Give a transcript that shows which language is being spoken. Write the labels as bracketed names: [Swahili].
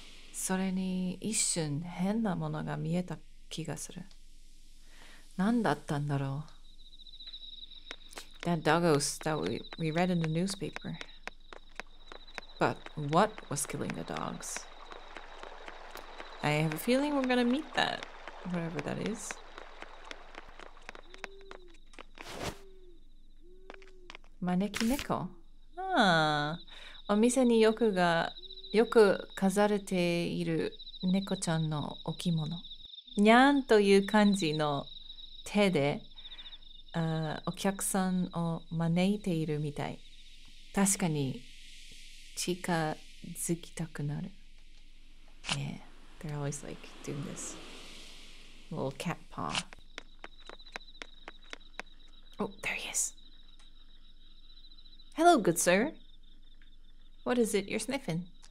[Japanese] それに一瞬変なものが見えた気がする。何だったんだろう。 [English] That doggos that we read in the newspaper. But what was killing the dogs? I have a feeling we're gonna meet that, whatever that is. [Japanese] マネキネコ。ああ。お店によくが、よく飾れている猫ちゃんの置物。にゃんという感じの手で、お客さんを招いているみたい。確かに近づきたくなる。 [English] Yeah, they're always like doing this little cat paw. Oh, there he is. Hello, good sir. What is it you're sniffing?